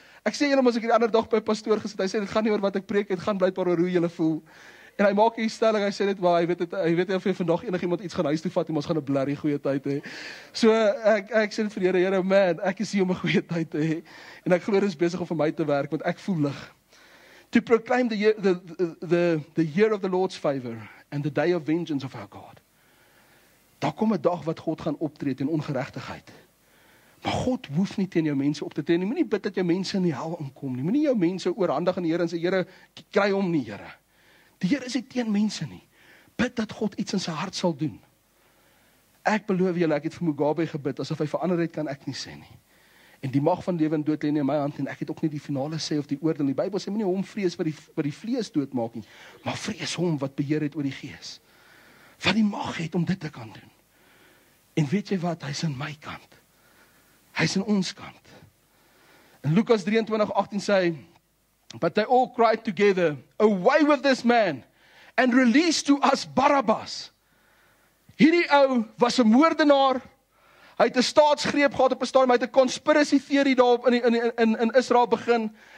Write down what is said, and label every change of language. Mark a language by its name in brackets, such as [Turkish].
[Afrikaans] Ek sê julle mos, ek het die ander dag by pastoor gesit. Hy sê, dit gaan nie oor wat ek preek, dit gaan blijkbaar oor hoe julle voel. En hy maak 'n stelling, hy sê dit, maar hy weet nie of jy vandag enig iemand iets gaan huis toe vat, maar ons gaan 'n blerrie goeie tyd hê. So ek sê dit vir Here, man, ek is hier om 'n goeie tyd te hê. En ek glo dit is besig om vir my te werk, want ek voel lig. [English] To proclaim the year of the Lord's favor and the day of vengeance of our God. [Afrikaans] Daar kom 'n dag wat God gaan optree teen ongeregtigheid. Maar God hoef nie teen jou mense op te tree nie. Moenie bid dat jou mense in die hel inkom nie. Moenie jou mense oorhandig aan die Here en sê Here, kry hom nie, Here. Die Here is nie teen mense nie. Bid dat God iets in sy hart sal doen. Ek beloof julle, ek het vir Mugabe gebid asof hy verander het, kan ek nie sê nie. En die mag van lewe en dood lê in my hand en ek het ook nie die finale sê of die oordeel. Die Bybel sê moenie hom vrees wat die vlees doodmaak nie, maar vrees hom wat beheer het oor die gees. Wat die mag het om dit te kan doen. En weet jy wat, hy's aan my kant. Hy's aan ons kant. In Lukas 23:18 sê hy, [English] but they all cried together, away with this man and release to us Barabbas. [Afrikaans] Hierdie ou was 'n moordenaar. Hy het 'n staatsgreep gehad op 'n stadium, hy het 'n conspiracy theory daarop in Israel begin.